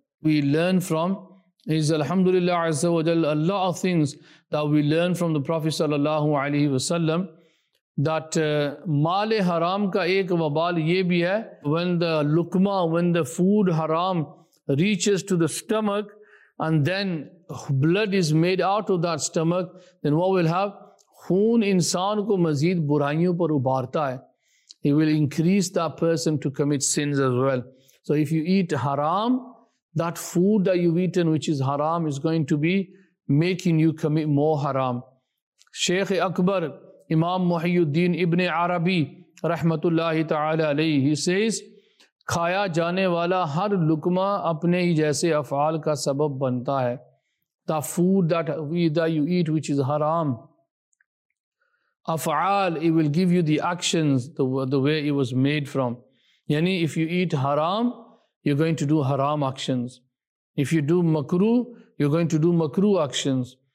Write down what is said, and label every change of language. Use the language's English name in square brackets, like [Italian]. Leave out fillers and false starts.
[English] We learn from is Alhamdulillah Azza wa Jal, a lot of things that we learn from the Prophet sallallahu alaihi wasallam, that [Urdu] maale haram ka ek wabal ye bhi hai, [English] when the food haram reaches to the stomach and then blood is made out of that stomach, then what will have? [Urdu] Khoon insaan ko mazid buraiyon par ubarta hai. [English] It will increase that person to commit sins as well. So if you eat haram, that food that you've eaten, which is haram, is going to be making you commit more haram. Shaykh Akbar, Imam Muhyiddin Ibn Arabi, rahmatullahi ta'ala alayhi, he says, [Urdu] کھایا جانے والا ہر لقمہ اپنے ہی جیسے افعال کا سبب بنتا ہے. [English] The food that you eat which is haram, افعال, it will give you the actions, the way it was made from. یعنی if you eat haram, you're going to do haram actions. If you do makruh, you're going to do makruh actions.